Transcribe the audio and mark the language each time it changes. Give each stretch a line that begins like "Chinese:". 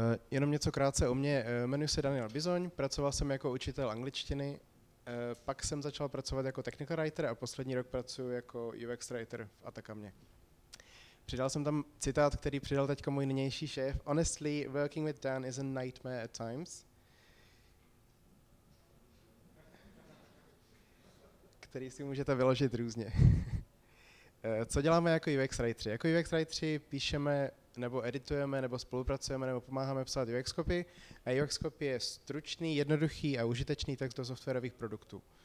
Czech: Jenom něco krátce o mě. Jmenuji se Daniel Bizoň, pracoval jsem jako učitel angličtiny, pak jsem začal pracovat jako technical writer a poslední rok pracuji jako UX writer v Atacamě. Přidal jsem tam citát, který přidal teďka můj nynější šéf.
English: Honestly, working with Dan is a nightmare at times.
Czech: Který si můžete vyložit různě. Co děláme jako UX writeri? Jako UX writeri píšeme nebo editujeme, nebo spolupracujeme, nebo pomáháme psát UX copy. A UX copy je stručný, jednoduchý a užitečný text do softwarových produktů.